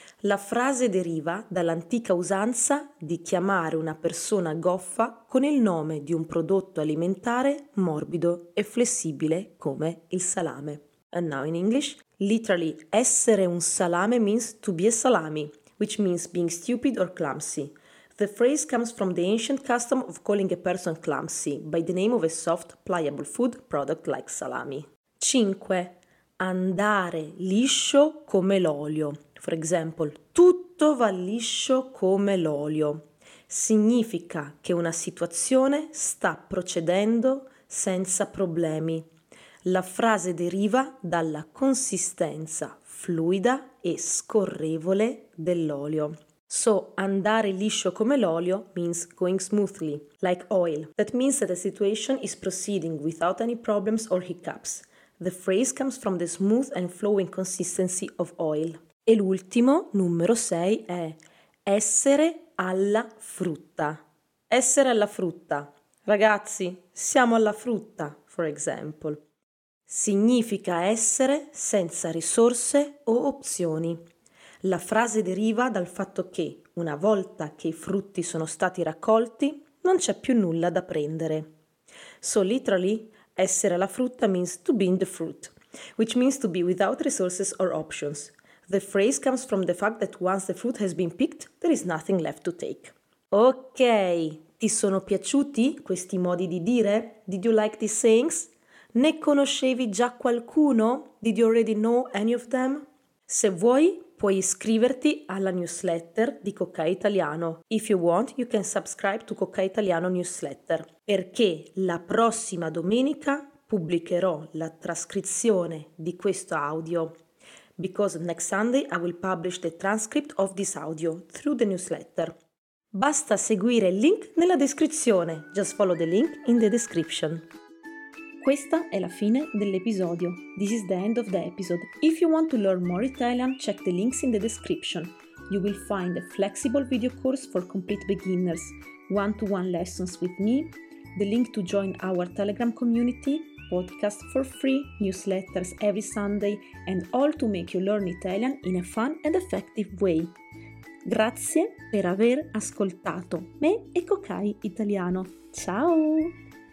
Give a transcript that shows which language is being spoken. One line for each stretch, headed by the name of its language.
Italian: La frase deriva dall'antica usanza di chiamare una persona goffa con il nome di un prodotto alimentare morbido e flessibile come il salame.
English: And now in English, literally,
Italian: essere un salame
English: means to be a salami, which means being stupid or clumsy. The phrase comes from the ancient custom of calling a person clumsy by the name of a soft, pliable food product like salami.
Italian: 5. Andare liscio come l'olio.
English: For example,
Italian: tutto va liscio come l'olio. Significa che una situazione sta procedendo senza problemi. La frase deriva dalla consistenza fluida e scorrevole dell'olio.
English: So,
Italian: andare liscio come l'olio
English: means going smoothly, like oil. That means that a situation is proceeding without any problems or hiccups. The phrase comes from the smooth and flowing consistency of oil.
Italian: E l'ultimo, numero 6, è essere alla frutta. Essere alla frutta. Ragazzi, siamo alla frutta,
English: for example.
Italian: Significa essere senza risorse o opzioni. La frase deriva dal fatto che, una volta che i frutti sono stati raccolti, non c'è più nulla da prendere.
English: So literally,
Italian: essere la frutta
English: means to be in the fruit, which means to be without resources or options. The phrase comes from the fact that once the fruit has been picked, there is nothing left to take.
Italian: Ok, ti sono piaciuti questi modi di dire?
English: Did you like these sayings?
Italian: Ne conoscevi già qualcuno?
English: Did you already know any of them?
Italian: Se vuoi, puoi iscriverti alla newsletter di Cocca Italiano.
English: If you want, you can subscribe to Cocca Italiano newsletter.
Italian: Perché la prossima domenica pubblicherò la trascrizione di questo audio.
English: Because next Sunday I will publish the transcript of this audio through the newsletter.
Italian: Basta seguire il link nella descrizione.
English: Just follow the link in the description.
Italian: Questa è la fine dell'episodio.
English: This is the end of the episode. If you want to learn more Italian, check the links in the description. You will find a flexible video course for complete beginners, one-to-one lessons with me, the link to join our Telegram community, podcast for free, newsletters every Sunday, and all to make you learn Italian in a fun and effective way.
Italian: Grazie per aver ascoltato me e Cocca Italiano. Ciao!